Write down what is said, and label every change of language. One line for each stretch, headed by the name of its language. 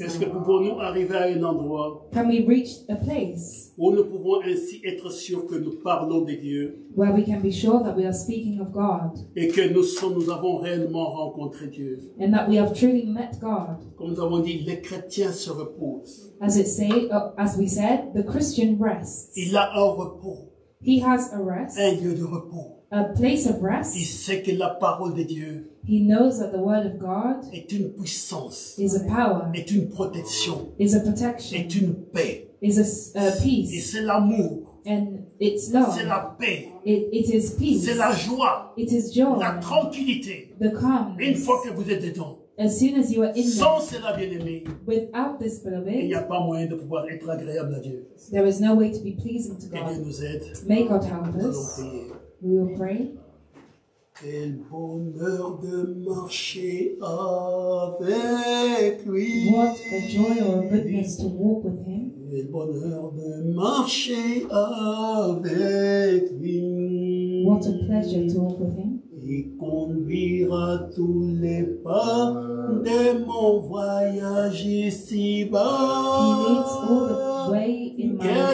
French: Est-ce que pouvons-nous arriver à un endroit?
English: Can we reach a place?
French: Où nous pouvons ainsi être sûrs que nous parlons de Dieu.
English: Where we can be sure that we are speaking of God.
French: Et que nous avons réellement rencontré Dieu.
English: And that we have truly met God.
French: Comme nous avons dit, les chrétiens se reposent.
English: As we said, the Christian rests.
French: Il a un repos.
English: He has a rest.
French: Un lieu de repos.
English: A place of rest.
French: Il sait que la parole de Dieu,
English: he knows that the word of God,
French: est une puissance.
English: Is a power.
French: Est une protection.
English: Is a protection.
French: Est une paix.
English: Is a peace.
French: Et c'est l'amour.
English: And it's love.
French: C'est la paix.
English: It is peace.
French: C'est la joie.
English: It is joy.
French: La tranquillité.
English: The calmness.
French: Une fois que vous êtes dedans.
English: As soon as you are in
French: sans cela, bien-aimé,
English: without this beloved,
French: il n'y a pas moyen de pouvoir être agréable à Dieu.
English: There is no way to be pleasing to God.
French: Que Dieu nous aide.
English: May God help us. We will pray.
French: Quel bonheur de marcher avec lui.
English: What a joy or a goodness to walk with him.
French: Quel bonheur de marcher avec lui.
English: What a pleasure to walk with him.
French: Il conduira tous les pas de mon voyage ici-bas.
English: He leads all the way in my journey.